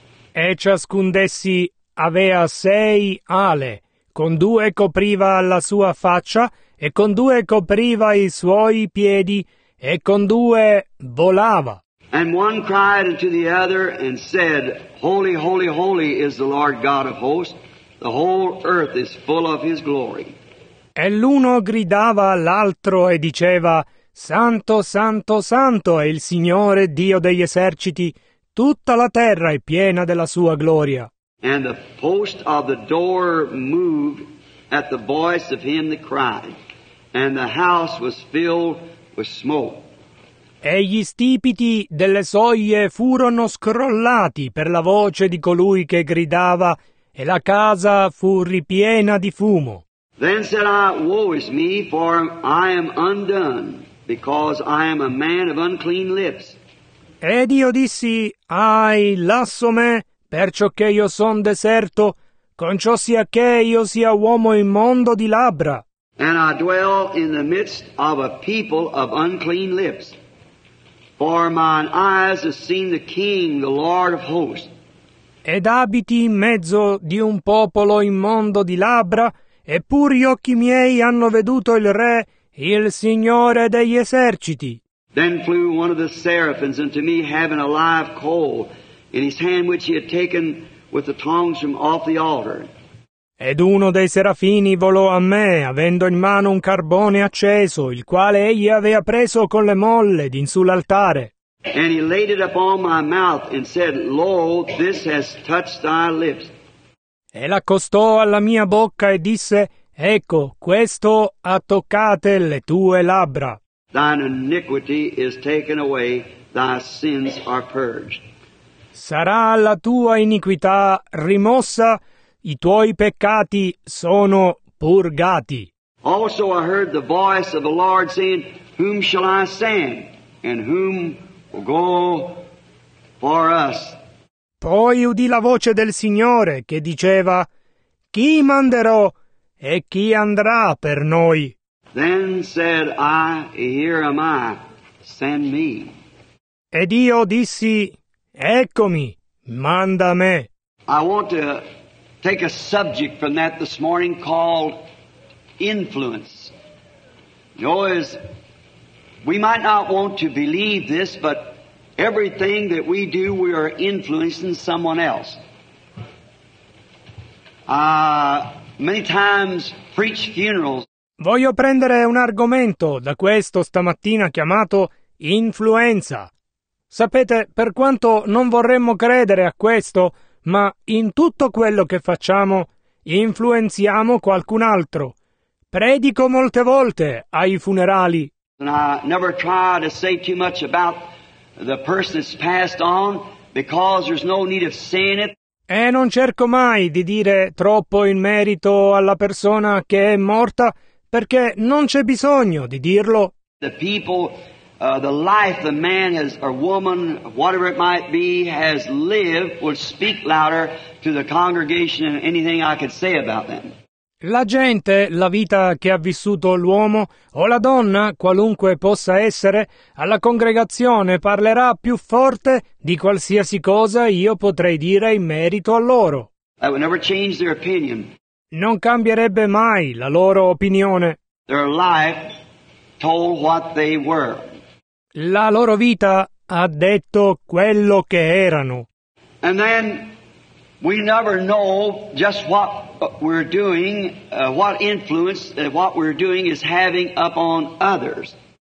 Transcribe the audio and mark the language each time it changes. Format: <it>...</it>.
<it>E ciascun d'essi aveva 6 ale. Con 2 copriva la sua faccia, e con 2 copriva i suoi piedi, e con 2 volava.</it> <en>And one cried unto the other and said, Holy, holy, holy is the Lord God of hosts. The whole earth is full of his glory.</en> <it>E l'uno gridava all'altro e diceva, Santo, santo, santo è il Signore Dio degli eserciti. Tutta la terra è piena della sua gloria.</it> <en>And the post of the door moved at the voice of him that cried, and the house was filled with smoke.</en> <it>E gli stipiti delle soglie furono scrollati per la voce di colui che gridava, e la casa fu ripiena di fumo.</it> <en>Then said I, Woe is me, for I am undone, because I am a man of unclean lips.</en> <it>Ed io dissi, Ahi, lasso me, perciò che io son deserto, conciò sia che io sia uomo immondo di labbra.</it> <en>And I dwell in the midst of a people of unclean lips. For mine eyes have seen the King, the Lord of hosts.</en> <it>Ed abiti in mezzo di un popolo immondo di labbra, eppur gli occhi miei hanno veduto il Re, il Signore degli eserciti.</it> <en>Then flew one of the seraphims unto me, having a live coal in his hand, which he had taken with the tongs from off the altar.</en> <it>Ed uno dei serafini volò a me, avendo in mano un carbone acceso, il quale egli aveva preso con le molle d'in sull'altare.</it> <en>And he laid it upon my mouth and said, Lo, this has touched thy lips.</en> <it>E l'accostò alla mia bocca e disse, Ecco, questo ha toccate le tue labbra.</it> <en>Thine iniquity is taken away, thy sins are purged.</en> <it>Sarà la tua iniquità rimossa, i tuoi peccati sono purgati.</it> <en>Also I heard the voice of the Lord saying, Whom shall I send, and whom will go for us?</en> <it>Poi udì la voce del Signore che diceva, Chi manderò e chi andrà per noi?</it> <en>Then said I, Here am I, send me.</en> <it>Ed io dissi, Eccomi, manda me.</it> <en>I want to take a subject from that this morning called influence. You know, as we might not want to believe this, but everything that we do, we are influencing someone else. Many times preach funerals.</en> <it>Voglio prendere un argomento da questo stamattina chiamato influenza. Sapete, per quanto non vorremmo credere a questo, ma in tutto quello che facciamo, influenziamo qualcun altro. Predico molte volte ai funerali.</it> <en>And I never try to say too much about the person that's passed on, because there's no need of saying it.</en> <it>E non cerco mai di dire troppo in merito alla persona che è morta, perché non c'è bisogno di dirlo.</it> <en>The people, the life the man has, or woman, whatever it might be, has lived will speak louder to the congregation than anything I could say about them.</en> <it>La gente, la vita che ha vissuto l'uomo o la donna, qualunque possa essere, alla congregazione parlerà più forte di qualsiasi cosa io potrei dire in merito a loro.</it> <en>That would never change their opinion.</en> <it>Non cambierebbe mai la loro opinione.</it> <en>Their life told what they were.</en> <it>La loro vita ha detto quello che erano.</it> <en>And then we never know just what we're doing, what influence what we're doing is having upon others.</en>